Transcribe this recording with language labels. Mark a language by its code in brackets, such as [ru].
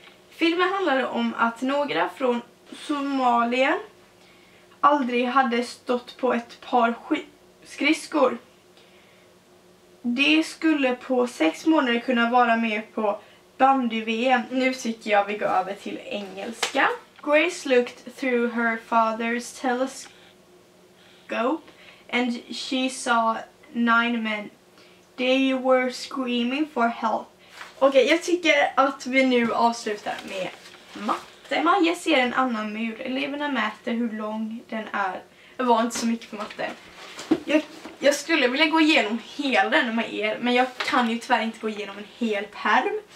[sv] Filmen handlade om att några från Somalia aldrig hade stått på ett par skridskor. Det skulle på 6 månader kunna vara med på bandy-VM. Nu tycker jag vi går över till engelska. [en] Grace looked through her father's telescope and she saw 9 men. They were screaming for help. [sv] Okej, jag tycker att vi nu avslutar med matte. Maja ser en annan mur. Eleverna mäter hur lång den är. Jag var inte så mycket på matte. Jag skulle vilja gå igenom hela den med er, men jag kan ju tyvärr inte gå igenom en hel perm.